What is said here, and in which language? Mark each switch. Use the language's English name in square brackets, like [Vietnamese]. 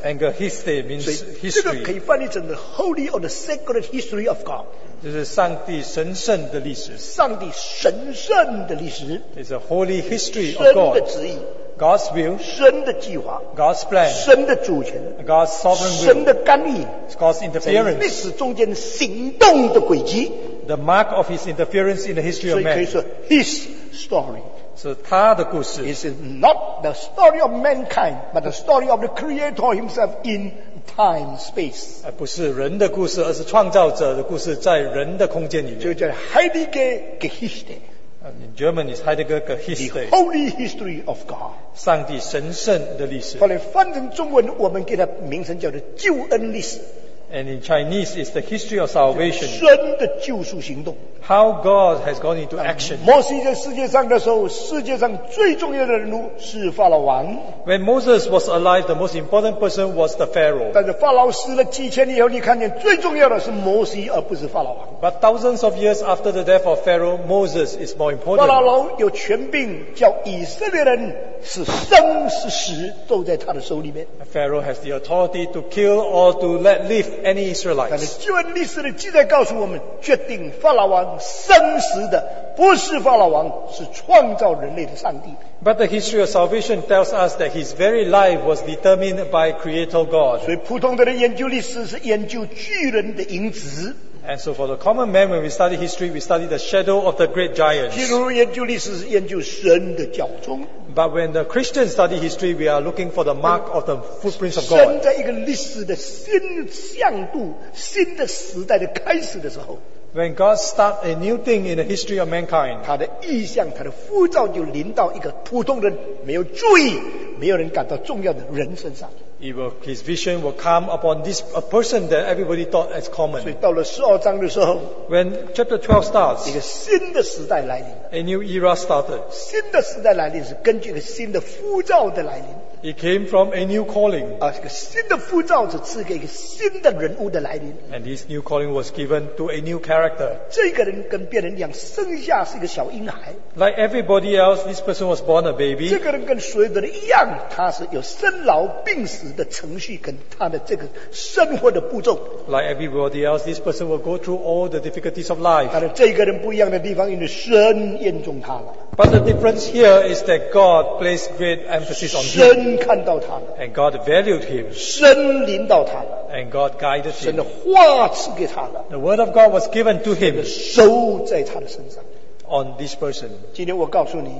[English] And Geschichte means history. [Chinese] 这个可以翻译成 [English] the holy or the sacred history of God. [Chinese] 就是上帝神圣的历史。上帝神圣的历史。 [English] It's a holy history of God. [Chinese] 神的旨意。 [English] God's will. [Chinese] 神的计划。 [English] God's plan. [Chinese] 神的主权。 [English] God's sovereign will. [Chinese] 神的干预。 [English] God's interference. [Chinese] 在历史中间行动的轨迹。 [English] The mark of his interference in the history of man. [Chinese] 所以可以说 [English] his story. [Chinese] 是他的故事。 [English] It's not the story of mankind, but the story of the creator himself in time, space. [Chinese] 不是人的故事，而是创造者的故事，在人的空间里面。就叫 [German] Heidegger Geschichte. [English] In German is [German] Heidegger Geschichte. [English] The holy history of God. [Chinese] 上帝神圣的历史。后来翻成中文，我们给它名称叫做救恩历史。 [English] And in Chinese is the history of salvation. [Chinese] 神的救赎行动。 [English] How God has gone into action. [Chinese] 摩西在世界上的时候，世界上最重要的人物是法老王。 [English] When Moses was alive, the most important person was the Pharaoh. [Chinese] 但是法老死了几千年以后，你看见最重要的是摩西，而不是法老王。 [English] But thousands of years after the death of Pharaoh, Moses is more important. [Chinese] 法老有权柄，叫以色列人是生是死都在他的手里面。 [English] Pharaoh has the authority to kill or to let live any Israelites. [Chinese] 但是旧约历史的记载告诉我们，决定法老王。生死的不是法老王，是创造人类的上帝。 [English] But the history of salvation tells us that his very life was determined by Creator God. [Chinese] 所以普通的人研究历史是研究巨人的影子。 [English] And so for the common man, when we study history, we study the shadow of the great giants. [Chinese] 基督徒研究历史是研究神的脚踪。 [English] But when the Christians study history, we are looking for the mark of the footprints of God. [Chinese] 神在一个历史的新向度、新的时代的开始的时候。 [English] When God starts a new thing in the history of mankind, [Chinese] 他的意象、他的呼召就临到一个普通人没有注意、没有人感到重要的人身上。 [English] His vision will come upon this a person that everybody thought as common. [Chinese] 所以到了十二章的时候 [English] ，When chapter 12 starts, [Chinese] 一个新的时代来临。 [English] A new era started. [Chinese] 新的时代来临是根据一个新的呼召的来临。 [English] It came from a new calling. [Chinese] 啊，这个新的呼召是赐给一个新的人物的来临。 [English] And this new calling was given to a new character. [Chinese] 这个人跟别人一样，生下是一个小婴孩。 [English] Like everybody else, this person was born a baby. [Chinese] 这个人跟所有的人一样，他是有生老病死的程序跟他的这个生活的步骤。 [English] Like everybody else, this person will go through all the difficulties of life. [Chinese] 但是这个人不一样的地方，因为神验中他了。 [English] But the difference here is that God placed great emphasis on him. [Chinese] 神看到他了。 [English] And God valued him. [Chinese] 神领导他了。 [English] And God guided him. [Chinese] 神的话赐给他了。 [English] The word of God was given to him. [Chinese] 守在他的身上。 [English] On this person. [Chinese] 今天我告诉你。